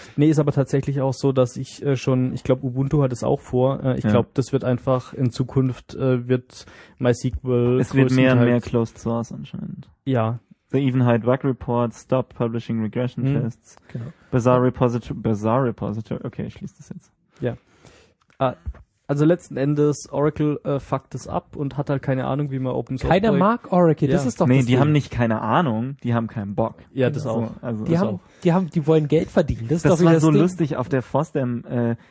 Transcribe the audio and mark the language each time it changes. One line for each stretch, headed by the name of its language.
German: Nee, ist aber tatsächlich auch so, dass ich schon, ich glaube, Ubuntu hat es auch vor. Ich glaube, das wird einfach in Zukunft wird MySQL. Es wird mehr und mehr Closed Source anscheinend. Ja.
English: They even hide bug reports, stop publishing regression tests.
German: Genau. Bizarre repository. Okay, ich schließe das jetzt. Ja. Also letzten Endes, Oracle fuckt es ab und hat halt keine Ahnung, wie man Open Source. Keiner mag Oracle, das ist doch nicht. Nee, die haben nicht keine Ahnung, die haben keinen Bock. Ja, das auch. Also, die wollen Geld verdienen. Das ist doch war so Ding. Lustig auf der FOSDEM.